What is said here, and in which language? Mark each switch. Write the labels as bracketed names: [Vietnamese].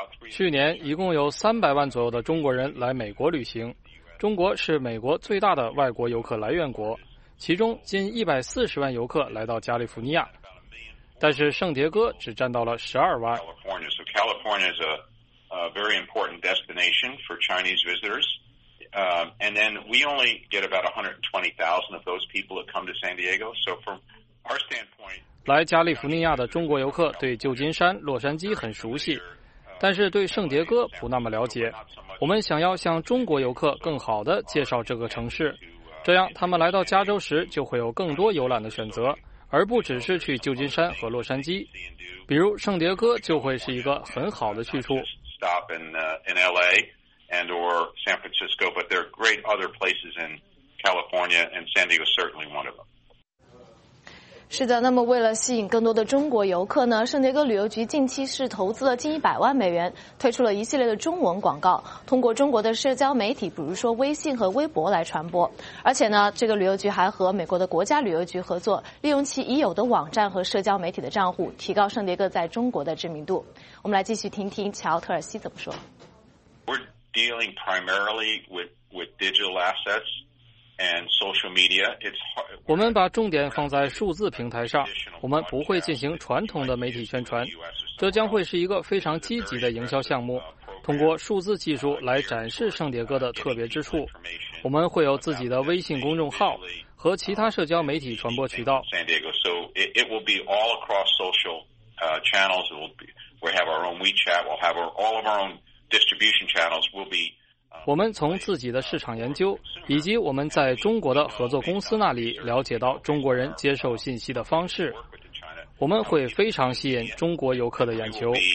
[Chinese] 去年一共有300万左右的中国人来美国旅行。中国是美国最大的外国游客来源国，其中近140万游客来到加利福尼亚，但是圣迭戈只占到了12万。 [English] California, so California is a very important destination for Chinese visitors, and then we only get about 120,000 of those people that come to San Diego. So from our standpoint, [Chinese] 来加利福尼亚的中国游客对旧金山、洛杉矶很熟悉，但是对圣迭戈不那么了解。我们想要向中国游客更好地介绍这个城市，这样他们来到加州时就会有更多游览的选择，而不只是去旧金山和洛杉矶。比如圣迭戈就会是一个很好的去处。 [English] Stop in LA and or San Francisco, but there are great other places in California, and San Diego is certainly one of them. [Chinese] 是的，那么为了吸引更多的中国游客呢，圣迭戈旅游局近期是投资了近100万美元，推出了一系列的中文广告，通过中国的社交媒体，比如说微信和微博来传播。而且呢，这个旅游局还和美国的国家旅游局合作，利用其已有的网站和社交媒体的账户，提高圣迭戈在中国的知名度。我们来继续听听乔特尔西怎么说。 [English] We're dealing primarily with digital assets. And social media, it's hard. [Chinese] 我们把重点放在数字平台上，我们不会进行传统的媒体宣传，这将会是一个非常积极的营销项目，通过数字技术来展示圣迭戈的特别之处。我们会有自己的微信公众号和其他社交媒体传播渠道。 [English] San Diego, so it will be all across social channels. We have our own WeChat, we'll have all of our own distribution channels. We'll be... [Chinese] 我们从自己的市场研究以及我们在中国的合作公司那里了解到中国人接受信息的方式，我们会非常吸引中国游客的眼球。